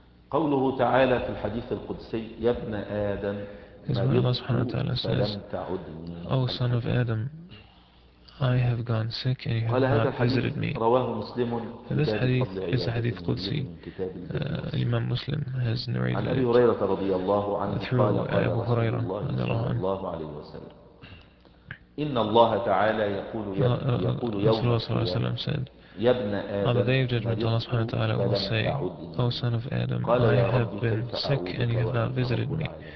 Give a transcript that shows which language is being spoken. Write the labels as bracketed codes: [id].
[ar] قوله تعالى في الحديث القدسي يا ابن آدم مريضت فلم تعدني. [en] O son of Adam, I have gone sick and you have not visited me. [ar] رواه مسلم. [en] This hadith is a hadith قدسي. Imam Muslim has narrated it. [ar] عن أبي هريرة رضي الله عنه قال أبو هريرة رضي الله عنه. إن الله تعالى يقول يوم القيامة. [en] رسول الله صلى الله عليه وسلم said. On the day of judgment, Allah subhanahu wa ta'ala will say, O son of Adam, I have been sick and you have not visited me.